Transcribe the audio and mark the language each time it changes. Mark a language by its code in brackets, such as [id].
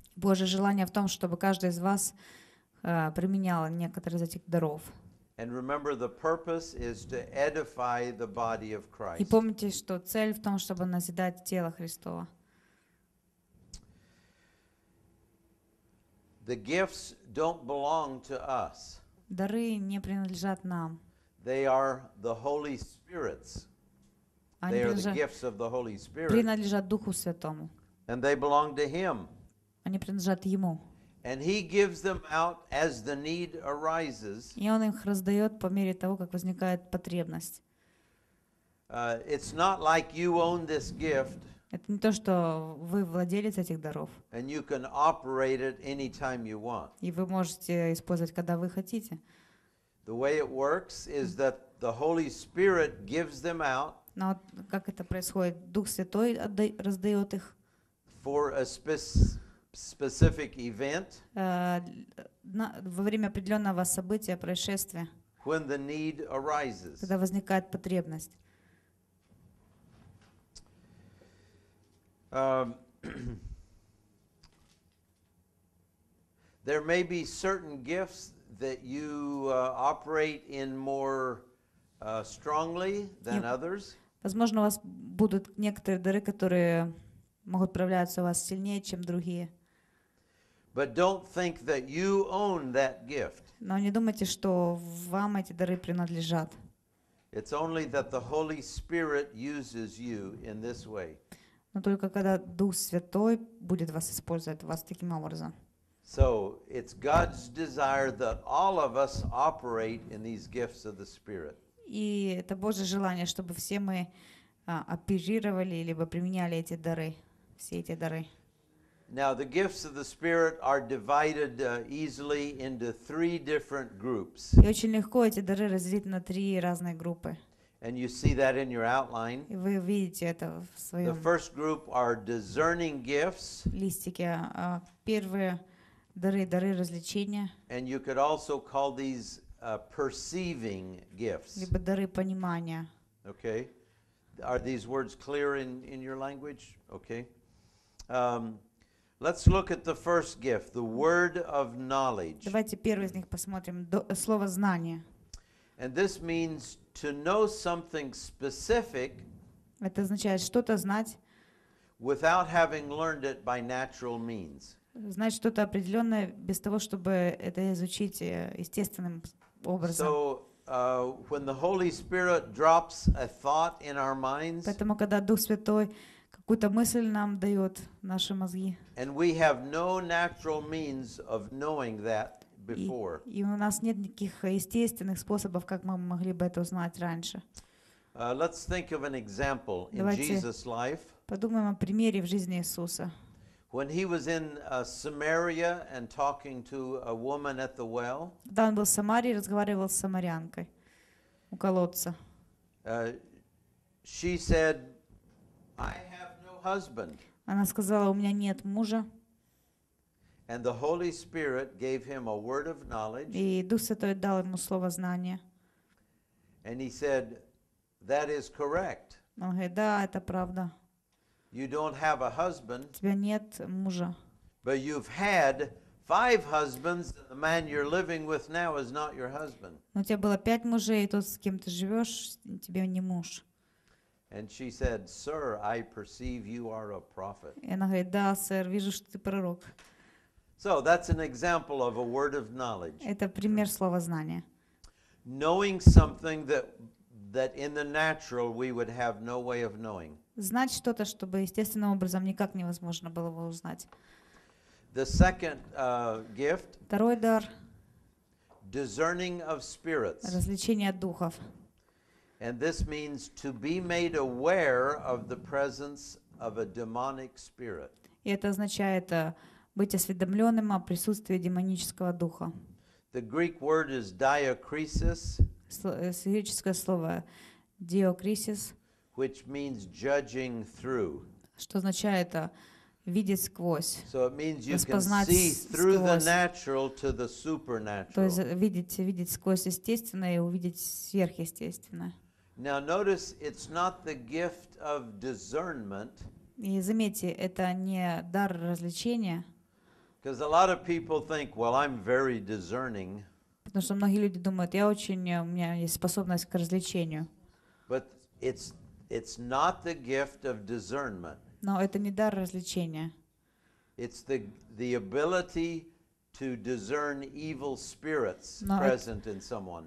[ru] Божье желание в том, чтобы каждый из вас применял некоторые из этих даров. [en] And remember, the purpose is to edify the body of Christ. [ru] И помните, что цель в том, чтобы назидать тело Христово. [en] The gifts don't belong to us. [ru] Дары не принадлежат нам. [en] They are the Holy Spirit's. They are the gifts of the Holy Spirit. [ru] Принадлежат Духу Святому. [en] And they belong to Him. [ru] Они принадлежат Ему. [en] And He gives them out as the need arises. [ru] И Он их раздает по мере того, как возникает потребность. [en] It's not like you own this gift. [ru] Это не то, что вы владелец этих даров. [en] And you can operate it anytime you want. [ru] И вы можете использовать, когда вы хотите. [en] The way it works is that the Holy Spirit gives them out. [ru] Но вот как это происходит? Дух Святой раздает их [en] for a specific event, [ru] во время определенного события, происшествия, [en] when the need arises. [ru] Когда возникает потребность. [en] There may be certain gifts that you operate in more strongly than others. [ru] Возможно, у вас будут некоторые дары, которые могут проявляться у вас сильнее, чем другие. [en] But don't think that you own that gift. [ru] Но не думайте, что вам эти дары принадлежат. [en] It's only that the Holy Spirit uses you in this way. [ru] Но только когда Дух Святой будет вас использовать, вас таким образом. [en] So it's God's desire that all of us operate in these gifts of the Spirit. [ru] И это Божье желание, чтобы все мы оперировали либо применяли эти дары, все эти дары. [en] Now the gifts of the Spirit are divided easily into three different groups. [ru] И очень легко эти дары разделить на три разные группы. [en] And you see that in your outline. [ru] И вы видите это в своем. The first group are discerning gifts. Листики, первые дары, дары различения. And you could also call these perceiving gifts. Либо дары понимания. [en] Okay. Are these words clear in your language? Okay. Let's look at the first gift, the word of knowledge. [ru] Давайте первый из них посмотрим, слово знание. [en] And this means to know something specific. [ru] Это означает что-то знать. [en] Without having learned it by natural means. [ru] Знать что-то определенное без того, чтобы это изучить естественным образом. [en] So when the Holy Spirit drops a thought in our minds. [ru] Поэтому когда Дух Святой какую-то мысль нам дает наши мозги. [en] And we have no natural means of knowing that before. [ru] И у нас нет никаких естественных способов, как мы могли бы это узнать раньше. [en] Let's think of an example in Jesus' life. [ru] Подумаем о примере в жизни Иисуса. [en] When he was in Samaria and talking to a woman at the well. [ru] Когда он был в Самарии, разговаривал с самарянкой у колодца. [en] She said, I have no husband. [ru] Она сказала, у меня нет мужа. [en] And the Holy Spirit gave him a word of knowledge. [ru] И Дух Святой дал ему слово знания. [en] And he said, that is correct. [ru] Он говорит, да, это правда. [en] You don't have a husband. [ru] У тебя нет мужа. [en] But you've had five husbands. The man you're living with now is not your husband. [ru] Но у тебя было пять мужей, и тот, с кем ты живешь, тебе не муж. [en] And she said, "Sir, I perceive you are a prophet." [ru] И она говорит, да, сэр, вижу, что ты пророк. [en] So that's an example of a word of knowledge. [ru] Это пример слова знания. [en] Knowing something that in the natural we would have no way of knowing. [ru] Знать что-то, чтобы естественным образом никак невозможно было бы узнать. [en] The second gift. [ru] Второй дар. [en] Discerning of spirits. [ru] Различение духов. [en] And this means to be made aware of the presence of a demonic spirit. [ru] И это означает быть осведомленным о присутствии демонического духа. [en] The Greek word is diakrisis. [ru] Греческое слово диокрисис. [en] Which means judging through. [ru] Что означает видеть сквозь. [en] So it means you can see through the natural to the supernatural. [ru] То есть видеть сквозь естественное и увидеть сверхъестественное. [en] Now notice it's not the gift of discernment. [ru] И заметьте, это не дар различения. [en] Because a lot of people think, well, I'm very discerning. [ru] Потому что многие люди думают, я очень, у меня есть способность к различению. [en] But it's not the gift of discernment. [ru] Но это не дар различения. [en] It's the ability to discern evil spirits present in someone.